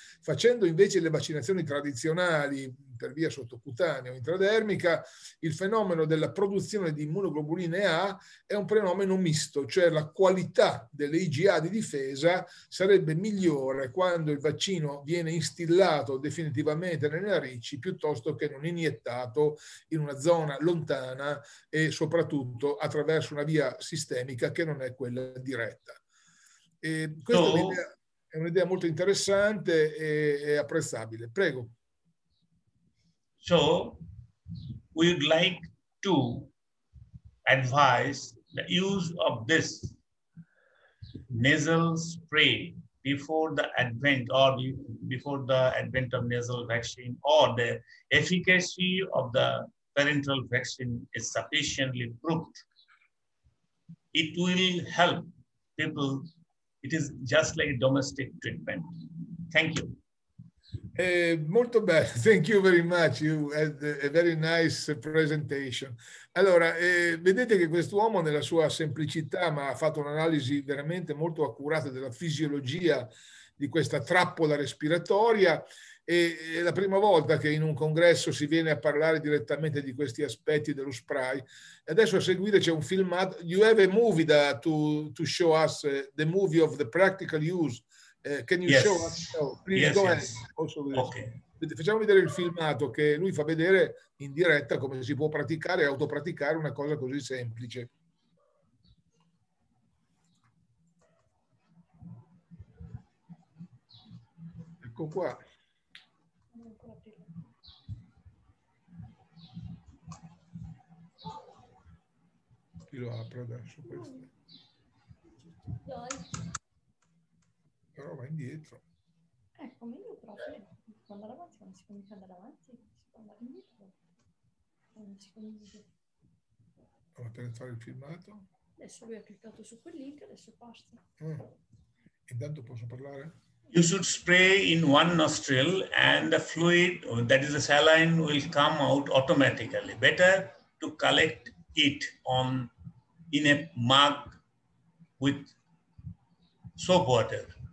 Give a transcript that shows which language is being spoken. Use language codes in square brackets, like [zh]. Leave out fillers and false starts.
[it] facendo invece le vaccinazioni tradizionali per via sottocutanea o intradermica, il fenomeno della produzione di immunoglobuline A è un fenomeno misto, cioè la qualità delle IgA di difesa sarebbe migliore quando il vaccino viene instillato definitivamente nelle narici piuttosto che non iniettato in una zona lontana e soprattutto attraverso una via sistemica che non è quella diretta. E questa è un'idea molto interessante e apprezzabile. Prego. [en] So, we would like to advise the use of this nasal spray before the advent or before the advent of nasal vaccine, or the efficacy of the parenteral vaccine is sufficiently proved. It will help people. It is just like domestic treatment. Thank you. [it] Molto bene, [en] thank you very much, you had a very nice presentation. [it] Allora, vedete che quest'uomo nella sua semplicità ma ha fatto un'analisi veramente molto accurata della fisiologia di questa trappola respiratoria E è la prima volta che in un congresso si viene a parlare direttamente di questi aspetti dello spray. Adesso a seguire c'è un filmato. [en] You have a movie that to show us, the movie of the practical use. Can you show us? Please go ahead. Okay. [it] Facciamo vedere il filmato che lui fa vedere in diretta come si può praticare e autopraticare una cosa così semplice. Ecco qua. Lo apre adesso questo. Però va indietro. Ecco, meglio proprio. Si può andare avanti, non si può mica andare avanti, si può andare indietro. Non si può indietro. Allora, per entrare il filmato. Adesso lui ha cliccato su quel link, adesso basta. Intanto posso parlare? [en] You should spray in one nostril and the fluid, that is the saline, will come out automatically. Better to collect it on in a mug with soap water.